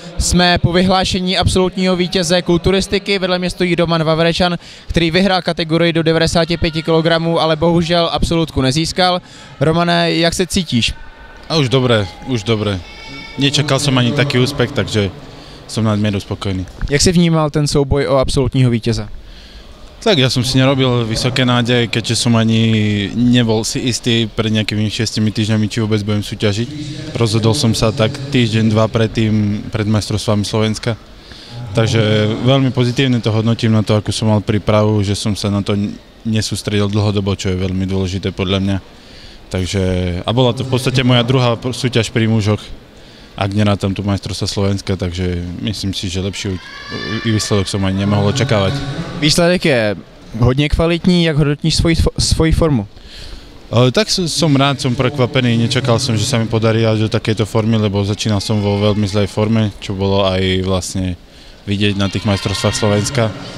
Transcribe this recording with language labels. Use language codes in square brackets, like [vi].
[cs] Jsme po vyhlášení absolutního vítěze kulturistiky, vedle mě stojí Roman Vavrečan, který vyhrál kategorii do 95 kg, ale bohužel absolutku nezískal. Romane, jak se cítíš? [sk] A už dobré. [cs] Nečekal jsem ani taký úspěch, takže jsem nadměru spokojný. Jak jsi vnímal ten souboj o absolutního vítěze? [sk] Tak ja som si nerobil vysoké nádeje, keďže som ani nebol si istý pred nejakými 6 týždňami, či vôbec budem súťažiť. Rozhodol som sa tak týždeň, dva predtým, pred majstrovstvami Slovenska. Takže veľmi pozitívne to hodnotím na to, ako som mal prípravu, že som sa na to nesústredil dlhodobo, čo je veľmi dôležité podľa mňa. Takže, a bola to v podstate moja druhá súťaž pri mužoch, ak nerátam tu majstrovstva Slovenska, takže myslím si, že lepší výsledok som ani nemohol očakávať. [cs] Výsledek je hodně kvalitní, jak hodnotíš svoji formu? [sk] Tak som rád, som prekvapený, nečakal som, že sa mi podarí až do takejto formy, lebo začínal som vo veľmi zlej forme, čo bolo aj vlastne vidieť na tých majstrovstvách Slovenska.